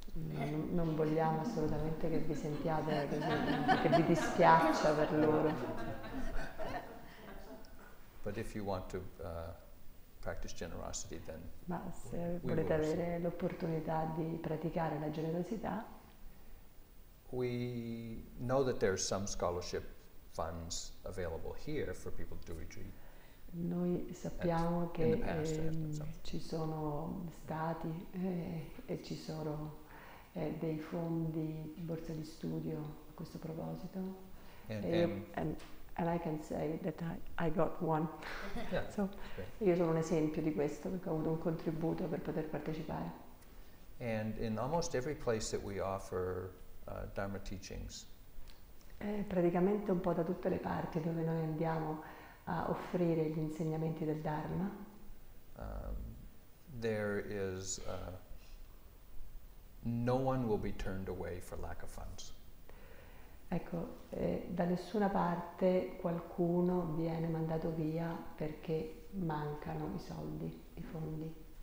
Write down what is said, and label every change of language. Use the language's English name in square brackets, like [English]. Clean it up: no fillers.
[Italian] Non vogliamo assolutamente che vi sentiate così, che vi dispiaccia per loro. [English] But if you want to practice generosity, then [Italian] ma se volete avere l'opportunità di praticare la generosità, [English] we know that there are some scholarship funds available here for people to do retreat. [Italian] Noi sappiamo che ci sono stati e ci sono dei fondi, borse di studio a questo proposito. [English] And I can say that I got one. Yeah, [Italian] so, io sono un esempio di questo, perché ho avuto un contributo per poter partecipare. [English] And in almost every place that we offer Dharma teachings. [Italian] Praticamente un po' da tutte le parti dove noi andiamo a offrire gli insegnamenti del Dharma. [English] There is no one will be turned away for lack of funds. [Italian] Ecco, da nessuna parte qualcuno viene mandato via perché mancano i soldi, i fondi.